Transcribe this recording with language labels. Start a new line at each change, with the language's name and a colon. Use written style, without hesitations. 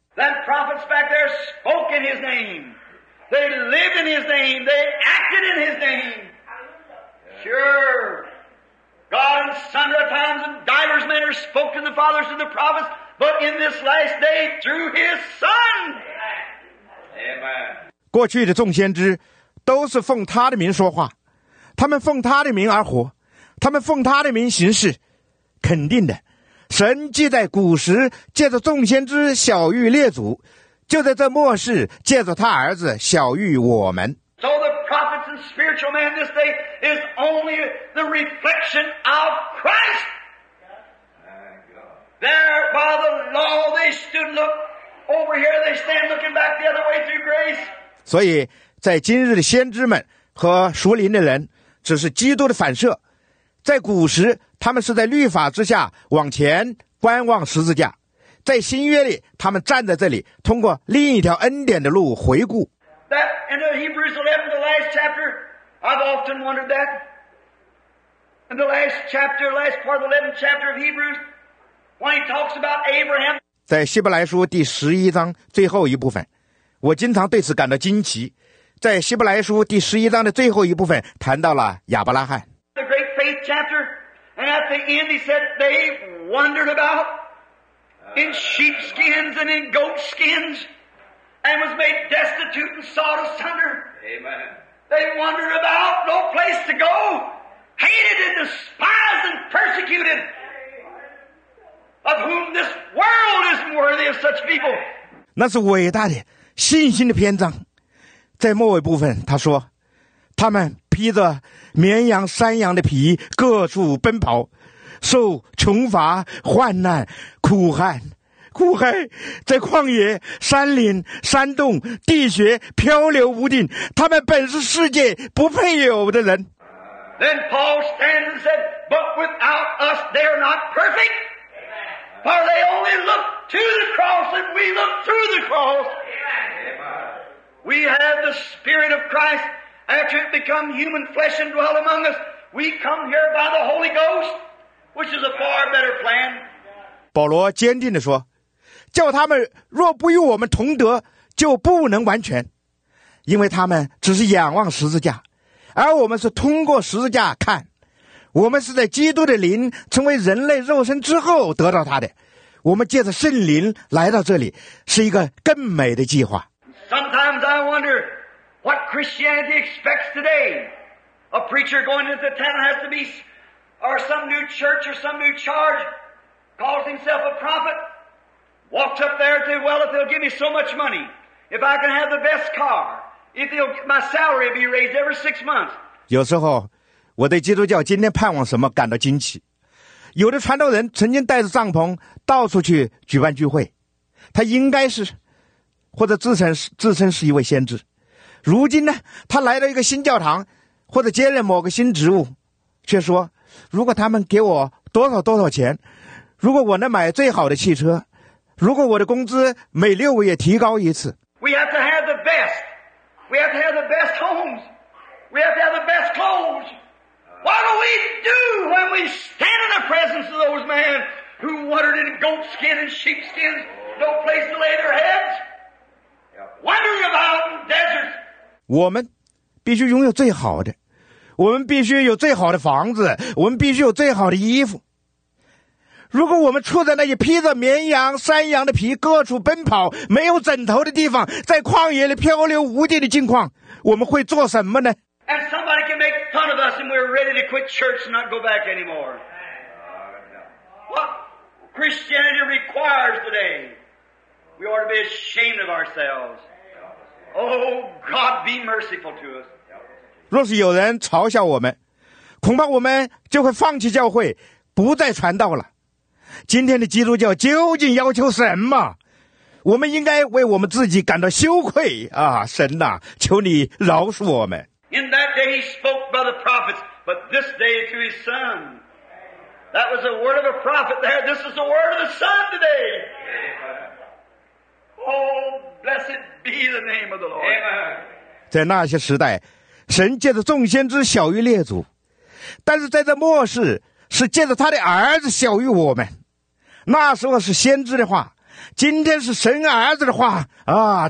English: That prophets back there spoke in his name. They lived in his name. They acted in his name. Sure. God in sundry times and divers manners spoke to the fathers and the prophets, but in this last day through His Son. Amen.
Chinese: 过去的众先知都是奉他的名说话，他们奉他的名而活，他们奉他的名行事。肯定的，神既在古时借着众先知晓谕列祖，就在这末世借着他儿子晓谕我们。
English: So the prophets and spiritual man this day is only the reflection of Christ. There by the law they stood and looked over here, they stand looking back the other way through grace.
Chinese: 所以在今日的先知们和属灵的人只是基督的反射，在古时他们是在律法之下往前观望十字架，在新约里他们站在这里通过另一条恩典的路回顾。
English: That in Hebrews 11, the last chapter, I've often wondered that. in the last chapter, last part of the 11th chapter of Hebrews, when he talks about Abraham.
Chinese: 在希伯来书第十一章最后一部分，我经常对此感到惊奇。在希伯来书第十一章的最后一部分，谈到了亚伯拉罕。
English: The great faith chapter, and at the end he said they wandered about in sheepskins and in goatskins. And was made destitute and sawed asunder. Amen. They wandered about, no place to go, hated and despised and persecuted, of whom this world isn't worthy of such people.
Chinese: 那是伟大的信心的篇章，在末尾部分他说，他们披着绵羊山羊的皮各处奔跑，受穷乏患难苦旱。苦海，在旷野、山林、山洞、地穴漂流无定，他们本是世界不配有的人。
English: Then Paul stands and said, "But without us, they are not perfect. For they only look to the cross, and we look through the cross. We have the Spirit of Christ. After it become human flesh and dwell among us, we come here by the Holy Ghost, which is a far better plan."
Chinese: 保罗坚定地说。叫他们若不与我们同德，就不能完全，因为他们只是仰望十字架，而我们是通过十字架看。我们是在基督的灵成为人类肉身之后得到他的，我们借着圣灵来到这里，是一个更美的计划。
English: Sometimes I wonder what Christianity expects today. A preacher going into the town has to be or some new church or some new charge calls himself a prophetWalks up there and says, well, if they'll give me so much money, if I can have the best car, if my salary will be raised every 6 months.
Chinese: 有时候我对基督教今天盼望什么感到惊奇。有的传道人曾经带着帐篷到处去举办聚会，他应该是或者自称是一位先知。如今呢，他来到一个新教堂或者接任某个新职务，却说如果他们给我多少多少钱，如果我能买最好的汽车，如果我的工资每六个月提高一次。
English: We have to have the best. We have to have the best homes. We have to have the best clothes. What do we do when we stand in the presence of those men who wandered in goatskin and sheepskin, no place to lay their heads, wandering about in deserts?
Chinese: 我们必须拥有最好的，我们必须有最好的房子，我们必须有最好的衣服。如果我们处在那些披着绵羊山羊的皮各处奔跑没有枕头的地方，在旷野里漂流无定的境况，我们会做什么呢？
English: And somebody can make fun of us and we're ready to quit church and not go back anymore. What Christianity requires today, we ought to be ashamed of ourselves. Oh God, be merciful to us.
Chinese: 若是有人嘲笑我们，恐怕我们就会放弃教会，不再传道了。今天的基督教究竟要求什么？我们应该为我们自己感到羞愧啊！神呐、啊，求你饶恕我们。
English: In that day he spoke by the prophets, but this day to his son. That was the word of a prophet there. This is the word of the son today. Oh, blessed be the name of the Lord. Amen.
Chinese: 在那些时代，神借着众先知晓谕列祖，但是在这末世。是借着他的儿子晓谕我们，那时候是先知的话，今天是神儿子的话啊！